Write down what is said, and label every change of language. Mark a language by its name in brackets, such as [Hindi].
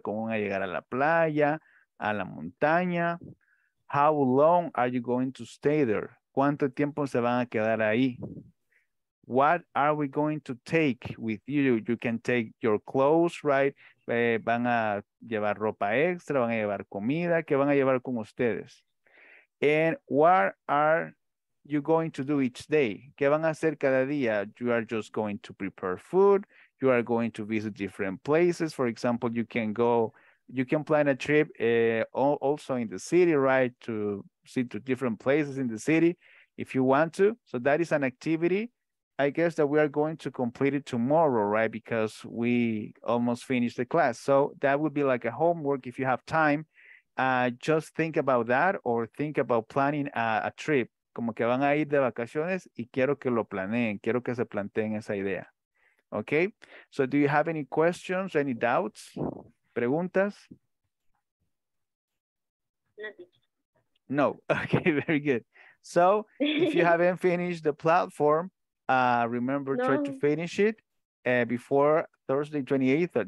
[Spanish] ¿Cómo van a llegar a la playa, a la montaña? [English] How long are you going to stay there? [Spanish] ¿Cuánto tiempo se van a quedar ahí? [English] What are we going to take with you? You can take your clothes, right? [Spanish] Van a llevar ropa extra, van a llevar comida. ¿Qué van a llevar con ustedes? [English] And what are you going to do each day? [Spanish] ¿Qué van a hacer cada día? [English] You are just going to prepare food. You are going to visit different places. For example, you can plan a trip also in the city, right? To see to different places in the city if you want to. So that is an activity. I guess that we are going to complete it tomorrow, right? Because we almost finished the class. So that would be like a homework if you have time. Just think about that or think about planning a trip. [Spanish] Como que van a ir de vacaciones y quiero que lo planeen. Quiero que se planteen esa idea. Okay? [English] So do you have any questions, any doubts? [Spanish] ¿Preguntas? [English] Nothing. No. Okay, very good. So if you haven't finished the platform, remember, no, try to finish it before Thursday 28th.